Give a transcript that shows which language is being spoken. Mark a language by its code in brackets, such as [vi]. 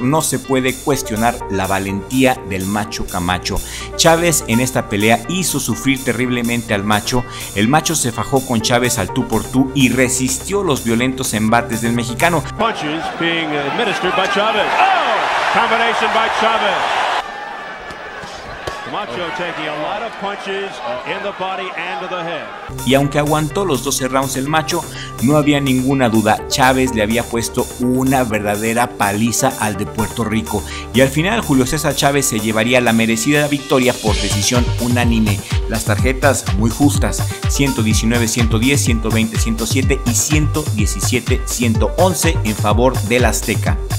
[es] No se puede cuestionar la valentía del Macho Camacho. Chávez en esta pelea hizo sufrir terriblemente al Macho. El Macho se fajó con Chávez al tú por tú y resistió los violentos embates del mexicano. [en] Punches being administered by Chávez. Oh, combination by Chávez. Camacho taking a lot of punches in the body and to the head. [es] Y aunque aguantó los 12 rounds el Macho, no había ninguna duda, Chávez le había puesto una verdadera paliza al de Puerto Rico. Y al final Julio César Chávez se llevaría la merecida victoria por decisión unánime. Las tarjetas muy justas, 119-110, 120-107 y 117-111 en favor del Azteca.